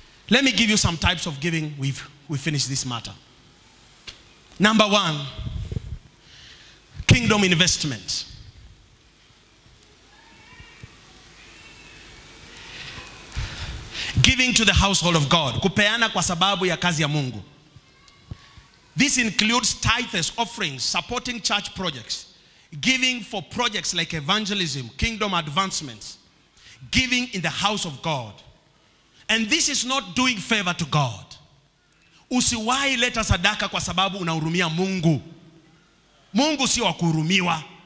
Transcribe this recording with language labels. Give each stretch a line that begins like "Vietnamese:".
English: Let me give you some types of giving. We finish this matter. Number one, kingdom investment. Giving to the household of God.
Swahili: Kupeana kwa sababu ya kazi ya Mungu.
English: This includes tithes, offerings, supporting church projects. Giving for projects like evangelism, kingdom advancements. Giving in the house of God. And this is not doing favor to God.
Swahili: Usiwai leta sadaka kwa sababu unahurumia Mungu. Mungu si wa kuhurumiwa.